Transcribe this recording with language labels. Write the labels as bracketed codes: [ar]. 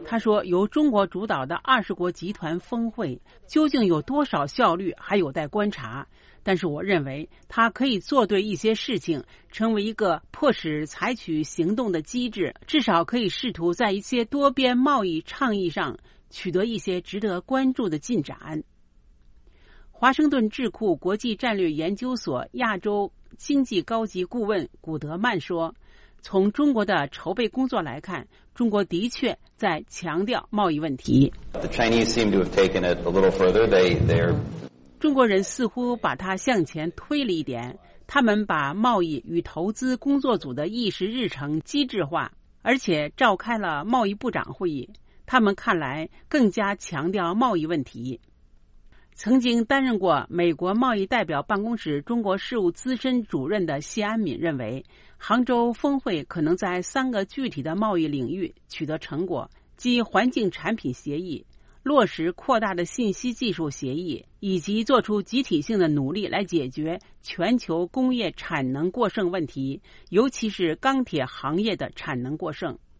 [zh] 他说，由中国主导的二十国集团峰会究竟有多少效率还有待观察，但是我认为它可以做对一些事情，成为一个迫使采取行动的机制，至少可以试图在一些多边贸易倡议上取得一些值得关注的进展。华盛顿智库国际战略研究所亚洲经济高级顾问古德曼说，从中国的筹备工作来看，中国的确在强调贸易问题。 [en] The Chinese seem to have taken it a little further. They're... [zh] 中国人似乎把它向前推了一点，他们把贸易与投资工作组的议事日程机制化，而且召开了贸易部长会议，他们看来更加强调贸易问题。曾经担任过美国贸易代表办公室中国事务资深主任的谢安敏认为，杭州峰会可能在三个具体的贸易领域取得成果，即环境产品协议、落实扩大的信息技术协议，以及做出集体性的努力来解决全球工业产能过剩问题，尤其是钢铁行业的产能过剩。